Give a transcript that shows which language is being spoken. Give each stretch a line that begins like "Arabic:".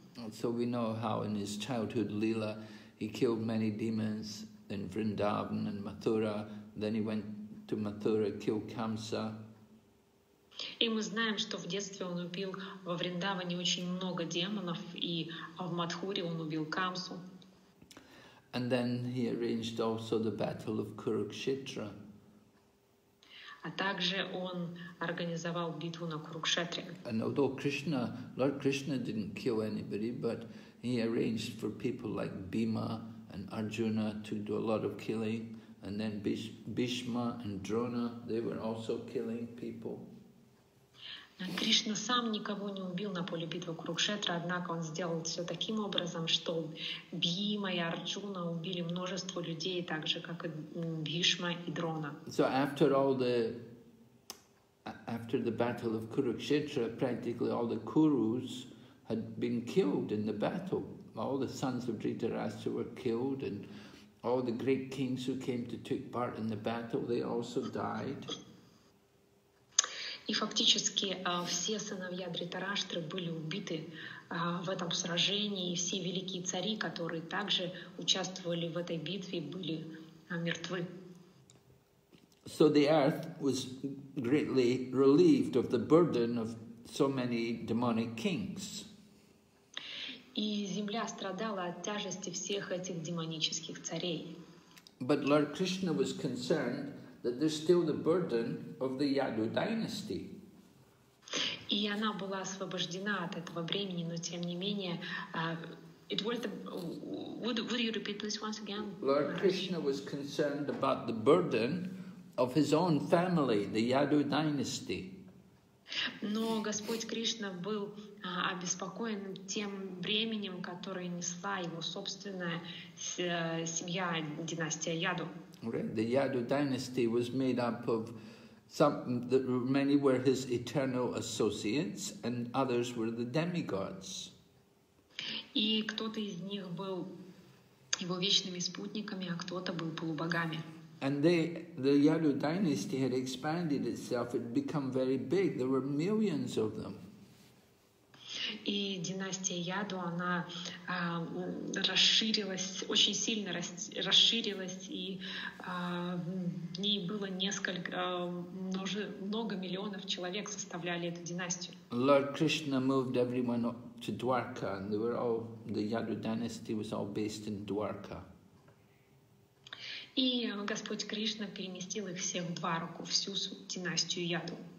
English: And so we know how in his childhood Leela he killed many demons in Vrindavan and Mathura, then he went to Mathura, killed Kamsa.
Russian: И мы знаем, что в детстве он убил во Вриндаване очень много демонов, и в Матхуре он убил Камсу.
English: And then he arranged also the battle of Kurukshetra.
Russian: А также он организовал битву на Курукшетре.
English: And although Krishna, Lord Krishna didn't kill anybody, but he arranged for people like Bhima and Arjuna to do a lot of killing, and then Bhishma and Drona, they were also killing people.
Russian: Кришна сам никого не убил на поле битвы Курукшетра, однако он сделал все таким образом, что Бхима и Арджуна убили множество людей, так же, как и Бхишма и Дрона.
English: So after the battle of Kurukshetra, practically all the Kurus had been killed in the battle. All the sons of Dhritarashtra were killed, and all the great kings who came to take part in the battle, they also died.
Russian: И фактически все сыновья Дритараштры были убиты в этом сражении, и все великие цари, которые также участвовали в этой битве, были мертвы.
English: So the earth was greatly relieved of the burden of so many demonic kings.
Russian: И земля страдала от тяжести всех этих демонических царей.
English: But Lord Krishna was concerned that there's still the burden of the Yadu dynasty.
Russian: И она была освобождена от этого времени, но тем не менее,
English: would you repeat this once again? Lord Krishna was concerned about the burden of his own family, the Yadu dynasty.
Russian: Но Господь Кришна был обеспокоен тем бременем, которое несла его собственная семья, династия Яду.
English: Right. The Yadu dynasty was made up of many were his eternal associates, and others were the demigods.
Russian: И кто-то из них был его вечными спутниками, а кто-то был полубогами.
English: And the Yadu dynasty had expanded itself, it had become very big, there were millions of them.
Russian: И династия Яду, она расширилась, очень сильно расширилась, и в ней было много миллионов человек составляли эту династию.
English: Lord Krishna moved everyone up to Dwarka, and they were all, the Yadu dynasty was all based in Dwarka.
Russian: И Господь Кришна переместил их всех в Двараку, всю династию Яду.